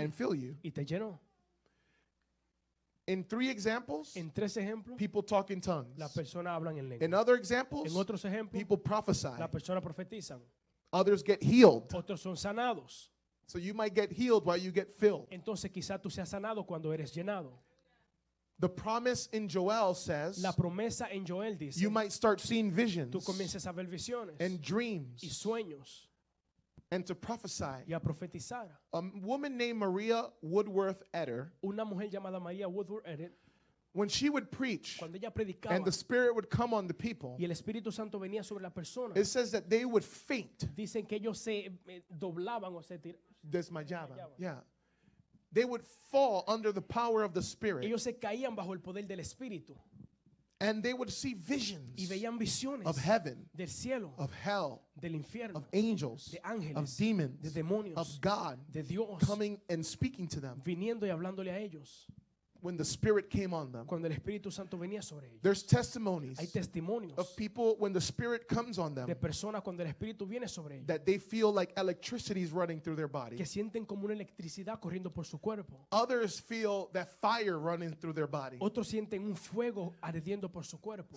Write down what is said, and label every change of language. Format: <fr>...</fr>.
<en>and fill you.</en> <es>Y te llenó.</es> <en>In three examples,</en> <es>en tres ejemplos,</es> <en>people talk in tongues.</en> <es>La persona habla en lengua.</es> <en>In other examples,</en> <es>en otros ejemplos,</es> <en>people prophesy.</en> <es>La persona profetiza.</es> <en>Others get healed.</en> <es>Otros son sanados.</es> <en>So you might get healed while you get filled.</en> <es>Entonces, quizá tú seas sanado cuando eres llenado.</es> <en>The promise in Joel says,</en> <es>la promesa en Joel dice,</es> <en>you might start seeing visions</en> <es>tú comiences a ver visiones</es> <en>and dreams.</en> <es>Y sueños.</es> <en>And to prophesy.</en> <es>Y a profetizar.</es> <en>A woman named Maria Woodworth Eder.</en> <es>Una mujer llamada María Woodworth Eder.</es> <en>When she would preach.</en> <es>Cuando ella predicaba.</es> <en>And the Spirit would come on the people.</en> <es>Y el Espíritu Santo venía sobre la persona.</es> <en>It says that they would faint.</en> <es>Dicen que ellos se doblaban o se tiraban. Desmayaban. Yeah.</es> <en>They would fall under the power of the Spirit.</en> <es>Ellos se caían bajo el poder del Espíritu.</es> <en>And they would see visions</en> <es>y veían visiones</es> <en>of heaven,</en> <es>del cielo,</es> <en>of hell,</en> <es>del infierno,</es> <en>of angels,</en> <es>de ángeles,</es> <en>of demons,</en> <es>de demonios,</es> <en>of God,</en> <es>de Dios,</es> <en>coming and speaking to them.</en> <es>Viniendo y hablándole a ellos.</es> <en>When the Spirit came on them.</en> <es>Cuando el Espíritu Santo venía sobre ellos.</es> <en>There's testimonies</en> <es>hay testimonios</es> <en>of people when the Spirit comes on them</en> <es>de personas cuando el Espíritu viene sobre ellos.</es> <en>That they feel like electricity is running through their body.</en> <es>Que sienten como una electricidad corriendo por su cuerpo.</es> <en>Others feel that fire running through their body.</en> <es>Otros sienten un fuego ardiendo por su cuerpo.</es>